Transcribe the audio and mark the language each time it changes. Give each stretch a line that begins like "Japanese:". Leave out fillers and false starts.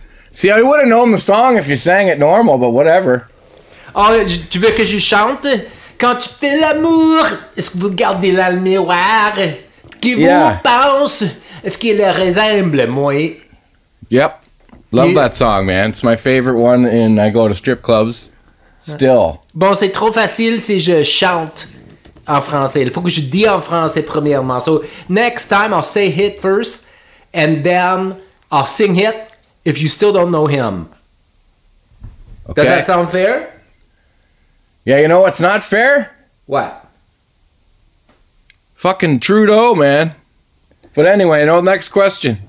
English: See, I would have known the song if you sang it normal, but whatever.
French: Oh, tu veux que je chante? Quand tu fais l'amour, est-ce que vous regardez dans le miroir? Qui vous pense? Est-ce qu'il ressemble moi?
English: Yep. Love that song, man. It's my favorite one in I go to strip clubs. Still.
French: Bon, c'est trop facile si je chante en français. Il faut que je dis en français premièrement.
English: So, next time, I'll say it first, and then... I'll sing it if you still don't know him. Okay. Does that sound fair? Yeah, you know what's not fair? What? Fucking Trudeau, man. But anyway, no next question.